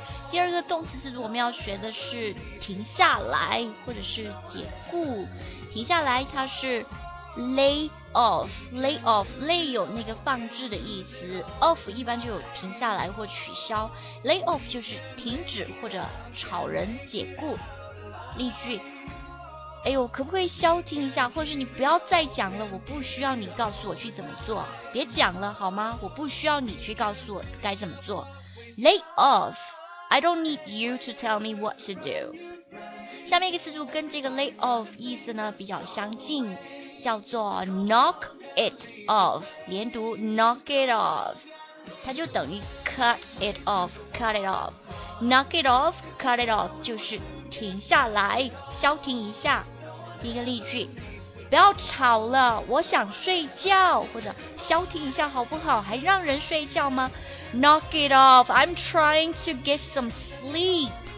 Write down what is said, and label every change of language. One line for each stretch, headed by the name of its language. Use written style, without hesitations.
Chinese: 第二个动词词组我们要学的是停下来或者是解雇，停下来它是lay off, lay 有那个放置的意思， off 一般就有停下来或取消， lay off 就是停止或者炒人解雇。例句，哎呦，可不可以消停一下，或者是你不要再讲了，我不需要你告诉我去怎么做，别讲了好吗，我不需要你去告诉我该怎么做。
English: lay off, I don't need you to tell me what to do。
Chinese: 下面一个词组跟这个 lay off 意思呢比较相近，叫做 knock it off, 连读 knock it off, 它就等于 cut it off, knock it off, cut it off, 就是停下来消停一下。第一个例句，不要吵了我想睡觉，或者消停一下好不好，还让人睡觉吗？
English: knock it off, I'm trying to get some sleep。